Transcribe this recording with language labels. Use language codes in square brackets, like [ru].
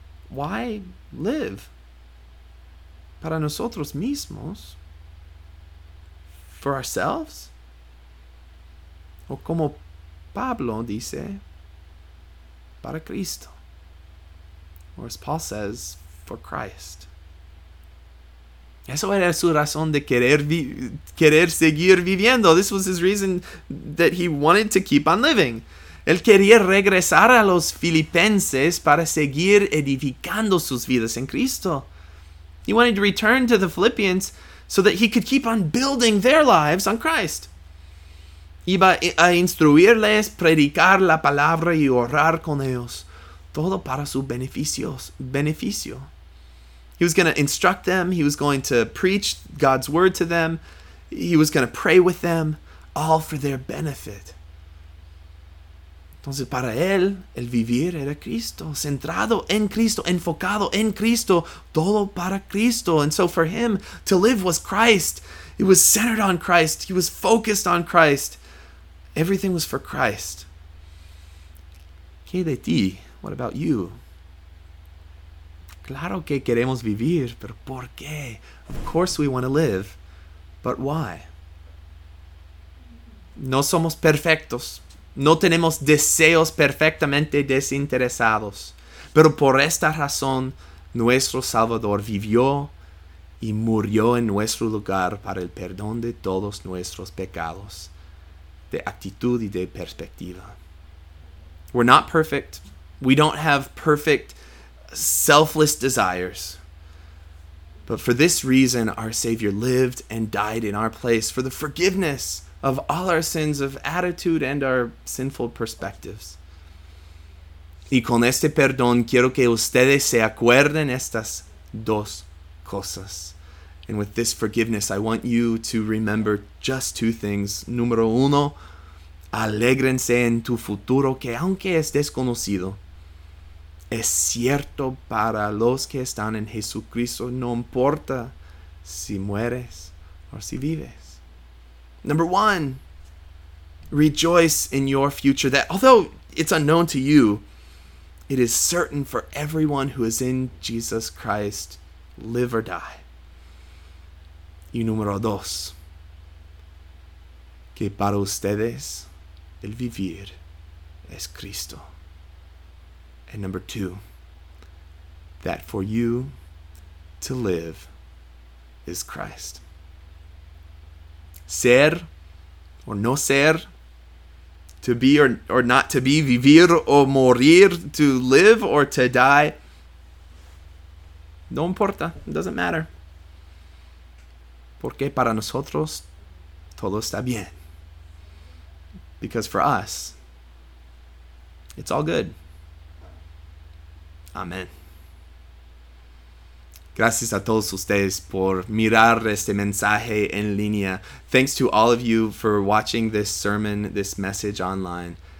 [en] Why live? [es] ¿Para nosotros mismos? [en] ¿For ourselves? [es] ¿O como Pablo dice, para Cristo? [en] ¿O as Paul says, for Christ? [es] Eso era su razón de querer seguir viviendo. [en] This was his reason that he wanted to keep on living. [es] Él quería regresar a los filipenses para seguir edificando sus vidas en Cristo. [en] He wanted to return to the Philippians so that he could keep on building their lives on Christ. [es] Iba a instruirles, predicar la palabra y orar con ellos. Todo para su beneficio. [en] He was going to instruct them. He was going to preach God's word to them. He was going to pray with them, all for their benefit. [es] Entonces, para él, el vivir era Cristo, centrado en Cristo, enfocado en Cristo, todo para Cristo. [en] And so for him, to live was Christ. It was centered on Christ. He was focused on Christ. Everything was for Christ. [es] ¿Qué de ti? [en] What about you? [es] Claro que queremos vivir, pero ¿por qué? [en] Of course we want to live, but why? [es] No somos perfectos. No tenemos deseos perfectamente desinteresados, pero por esta razón nuestro Salvador vivió y murió en nuestro lugar para el perdón de todos nuestros pecados, de actitud y de perspectiva. [en] We're not perfect. We don't have perfect, selfless desires. But for this reason, our Savior lived and died in our place for the forgiveness of all our sins of attitude and our sinful perspectives. [es] Y con este perdón quiero que ustedes se acuerden estas dos cosas. [en] And with this forgiveness, I want you to remember just two things. [es] Número uno, alégrense en tu futuro que aunque es desconocido, es cierto para los que están en Jesucristo, no importa si mueres o si vives. [en] Number one, rejoice in your future that, although it's unknown to you, it is certain for everyone who is in Jesus Christ, live or die. [es] Y número dos, que para ustedes el vivir es Cristo. [en] And number two, that for you to live is Christ. [es] Ser or no ser, [en] to be or not to be, [es] vivir o morir, [en] to live or to die, [es] no importa, [en] it doesn't matter. [es] Porque para nosotros todo está bien. [en] Because for us, it's all good. Amen. [es] Gracias a todos ustedes por mirar este mensaje en línea. [en] Thanks to all of you for watching this sermon, this message online.